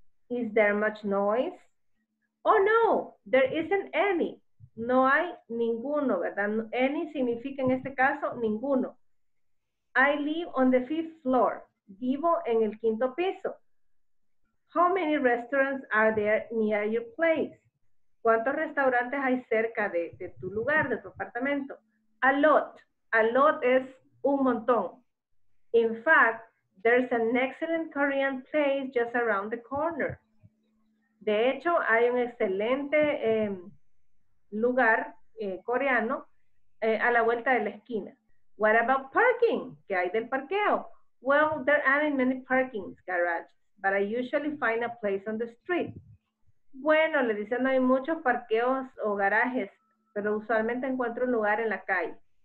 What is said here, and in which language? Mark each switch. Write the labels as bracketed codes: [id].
[en] Is there much noise? Oh no, there isn't any. [es] No hay ninguno, ¿verdad? Any significa en este caso ninguno. [en] I live on the fifth floor. [es] Vivo en el quinto piso. [en] How many restaurants are there near your place? [es] ¿Cuántos restaurantes hay cerca de tu lugar, de tu apartamento? [en] A lot. A lot [es] es un montón. [en] In fact, there's an excellent Korean place just around the corner. [es] De hecho, hay un excelente lugar coreano a la vuelta de la esquina. [en] What about parking? [es] ¿Qué hay del parqueo? [en] Well, there aren't many parking garages, but I usually find a place on the street. [es] Bueno, le dicen, no hay muchos parqueos o garajes, pero usualmente encuentro un lugar en la calle.